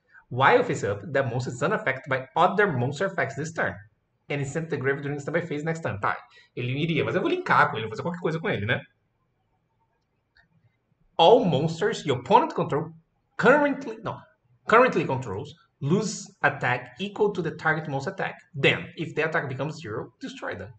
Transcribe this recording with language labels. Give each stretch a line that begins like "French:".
English: While face up, the monster is unaffected by other monster effects this turn. And is sent to the grave during standby phase next turn.
Portuguese: Tá, ele iria, mas eu vou linkar com ele, vou fazer qualquer coisa com ele, né?
English: All monsters your opponent control currently, no, currently controls lose attack equal to the target monster attack. Then, if the attack becomes zero, destroy them.